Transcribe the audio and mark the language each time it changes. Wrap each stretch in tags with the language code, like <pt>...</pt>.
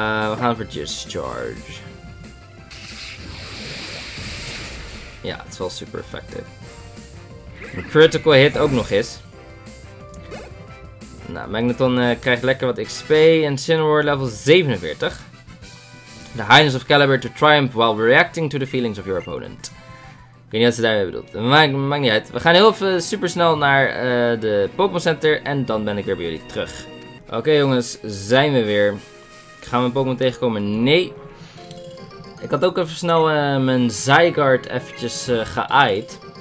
<nl>We gaan voor Discharge. Ja, het is wel super effective. Een critical hit ook nog eens. Nou, Magneton krijgt lekker wat XP en Cinnaroar level 47.</nl> <en>The highness of Calibur to triumph while reacting to the feelings of your opponent.</en> <nl>Ik weet niet wat ze daarmee bedoelt. Maakt niet uit. We gaan heel even super snel naar de Pokémon Center en dan ben ik weer bij jullie terug. Oké, jongens, zijn we weer. Gaan we een Pokémon tegenkomen? Nee. Ik had ook even snel mijn Zygarde eventjes geaid.</nl>